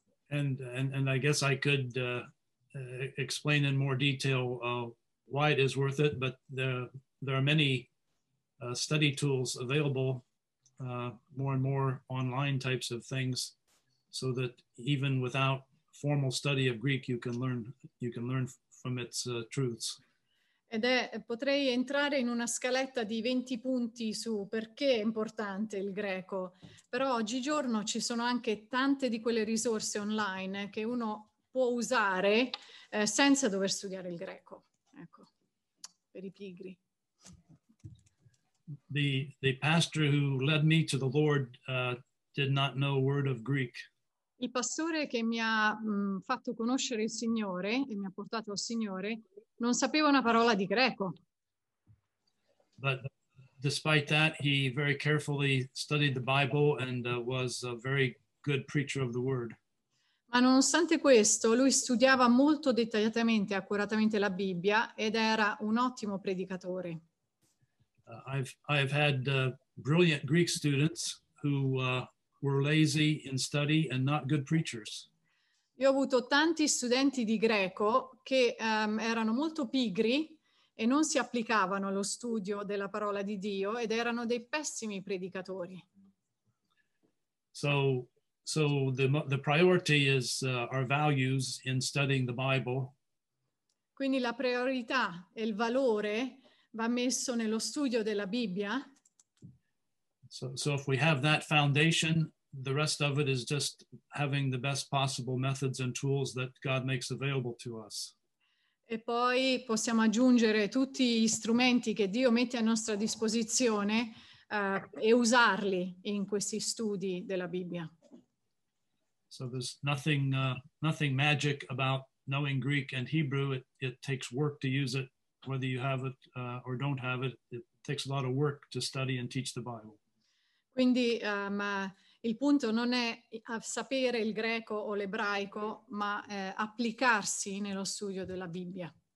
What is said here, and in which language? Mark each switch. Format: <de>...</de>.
<en>And I guess I could explain in more detail why it is worth it, but there are many study tools available. More and more online types of things, so that even without formal study of Greek, you can learn from its truths.</en> <it>Ed è, potrei entrare in una scaletta di 20 punti su perché è importante il greco, però oggigiorno ci sono anche tante di quelle risorse online che uno può usare senza dover studiare il greco, ecco, per i pigri.</it> <en>The pastor who led me to the Lord did not know a word of Greek.</en> <it>Il pastore che mi ha fatto conoscere il Signore e mi ha portato al Signore non sapeva una parola di greco.</it> <en>But despite that, he very carefully studied the Bible and was a very good preacher of the word.</en> <it>Ma nonostante questo, lui studiava molto dettagliatamente e accuratamente la Bibbia ed era un ottimo predicatore.</it> <en>I've had brilliant Greek students who were lazy in study and not good preachers.</en> <it>Io ho avuto tanti studenti di greco che erano molto pigri e non si applicavano allo studio della parola di Dio ed erano dei pessimi predicatori.</it> <en>So the priority is our values in studying the Bible.</en> <it>Quindi la priorità e il valore va messo nello studio della Bibbia.</it> <en>So if we have that foundation, the rest of it is just having the best possible methods and tools that God makes available to us.</en> <it>E poi possiamo aggiungere tutti gli strumenti che Dio mette a nostra disposizione e usarli in questi studi della Bibbia.</it> <en>So there's nothing magic about knowing Greek and Hebrew. It takes work to use it. Whether you have it or don't have it, it takes a lot of work to study and teach the Bible.</en> <it>Quindi il punto non è sapere il greco o l'ebraico, ma applicarsi nello studio della Bibbia.</it>